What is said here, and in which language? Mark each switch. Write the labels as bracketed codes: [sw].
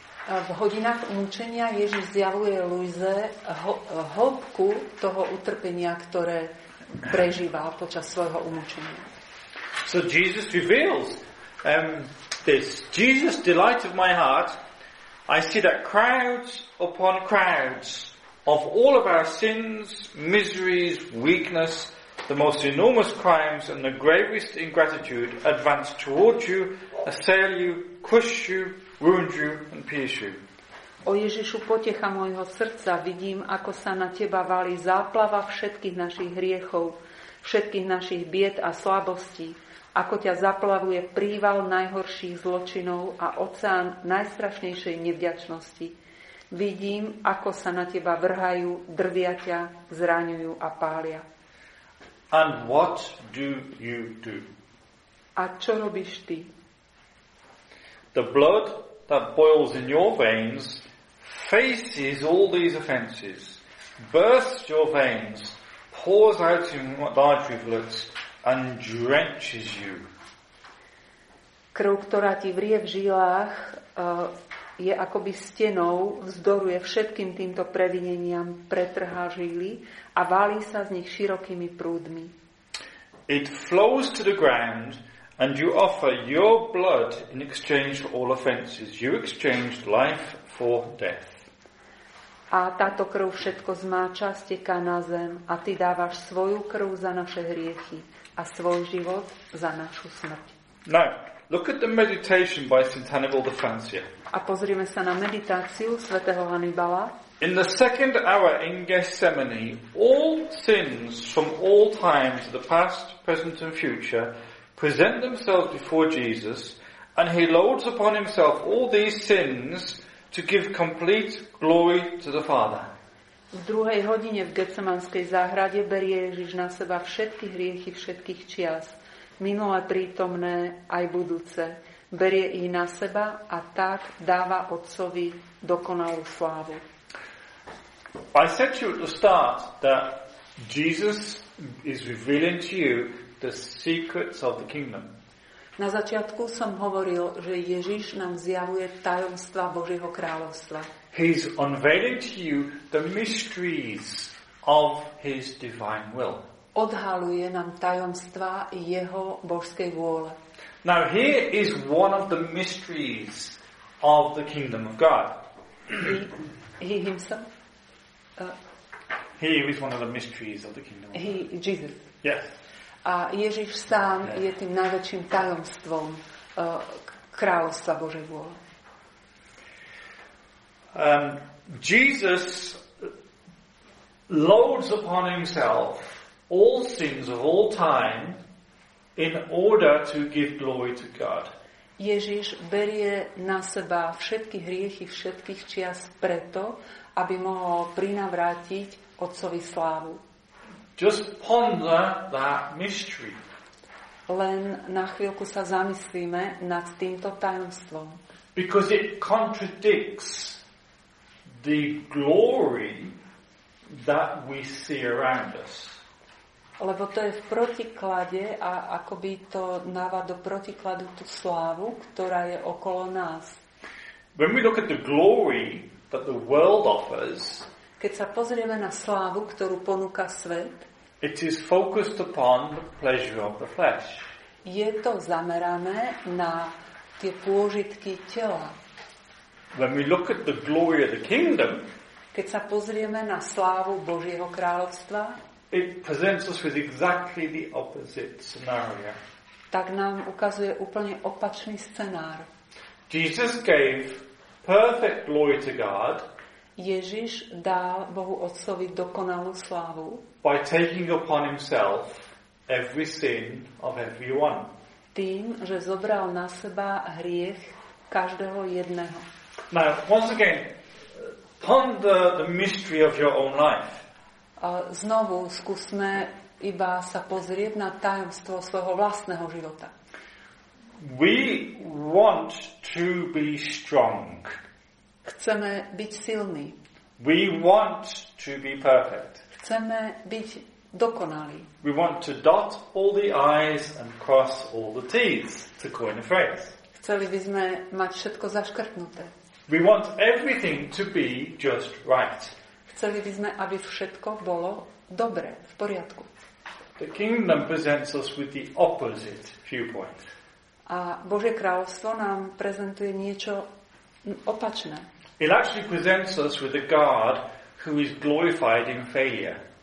[sk] V hodinách umúčenia Ježiš zjavuje Luize hĺbku toho utrpenia, ktoré prežíval počas svojho umúčenia. [en] So Jesus reveals this. Jesus, delight of my heart, I see that crowds upon crowds of all of our sins, miseries, weakness, the most enormous crimes and the gravest ingratitude advance towards you, assail you, crush you, wound you and pierce you. [sk] O Ježišu, potecha môjho srdca, vidím, ako sa na teba valí záplava všetkých našich hriechov, všetkých našich bied a slabostí, ako ťa zaplavuje príval najhorších zločinov a oceán najstrašnejšej nevďačnosti. Vidím, ako sa na teba vrhajú, drvia ťa, zraňujú a pália. [en] And what do you do? [sk] A čo robíš ty? [en] The blood that boils in your veins faces all these offenses, bursts your veins, pours out in large rivulets and drenches you. [sk] Krv, ktorá ti vrie v žilách, je akoby stenou, vzdoruje všetkým týmto previneniam, pretrhá žily a válí sa z nich širokými prúdmi. [en] It flows to the ground and you offer your blood in exchange for all offenses. You exchange life for death. [sk] A táto krv všetko zmáča, steká na zem a ty dávaš svoju krv za naše hriechy a svoj život za našu smrť. [en] Now, look at the meditation by St. Hannibal the Fancier. [sk] A pozrieme sa na meditáciu svätého Hannibala. [en] In the second hour in Gethsemane, all sins from all times, the past, present and future, present themselves before Jesus, and he loads upon himself all these sins to give complete glory to the Father. [sk] V druhej hodine v Getsemanskej záhrade berie Ježiš na seba všetky hriechy všetkých čias, minulé, prítomné aj budúce. Berie ich na seba a tak dáva Otcovi dokonalú slávu. [en] I said to you at the start that Jesus is revealing to you the secrets of the kingdom. [sk] Na začiatku som hovoril, že Ježiš nám zjavuje tajomstva Božieho kráľovstva. [en] He's unveiling to you the mysteries of his divine will. [sk] Odhaluje nám tajomstva jeho božskej vôle. [en] Now here is one of the mysteries of the kingdom of God. He himself. He is one of the mysteries of the kingdom of God. He, Jesus. Yes. [sk] A Ježiš sám je tým najväčším tajomstvom kráľovstva Božej vôle. [en] Jesus loads upon himself all sins of all time in order to give glory to God. [sk] Ježiš berie na seba všetky hriechy všetkých čias preto, aby mohol prinavrátiť Otcovi slávu. [en] Just ponder that mystery. [sk] Len na chvíľku sa zamyslíme nad týmto tajomstvom. [en] Because it contradicts the glory that we see around us. [sk] Lebo to je v protiklade a akoby to dáva do protikladu tú slávu, ktorá je okolo nás. [en] When we look at the glory that the world offers, [sk] keď sa pozrieme na slávu, ktorú ponúka svet, [en] it is focused upon the pleasure of the flesh. [sk] Je to zamerané na tie pôžitky tela. [en] When we look at the glory of the kingdom, [sk] keď sa pozrieme na slávu Božieho kráľovstva, [en] it presents us with exactly the opposite scenario. [sk] Tak nám ukazuje úplne opačný scenár. [en] Jesus gave perfect glory to God. [sk] Ježiš dal Bohu Otcovi dokonalú slávu. [en] By taking upon himself every sin of everyone. [sk] Tým, že zobral na seba hriech každého jedného. [en] Now, once again, ponder the mystery of your own life. [sk] Znovu skúsme iba sa pozrieť na tajomstvo svojho vlastného života. [en] We want to be strong. [sk] Chceme byť silní. [en] We want to be perfect. [sk] Chceme byť dokonalí. [en] We want to dot all the i's and cross all the t's, to coin a phrase. [sk] Chceli by sme mať všetko zaškrtnuté. [en] We want everything to be just right. [sk] Chceli by sme, aby všetko bolo dobre, v poriadku. [en] The kingdom presents us with the opposite viewpoint. [sk] A Božie kráľovstvo nám prezentuje niečo opačné. [en] It actually presents us with a God who is glorified in failure.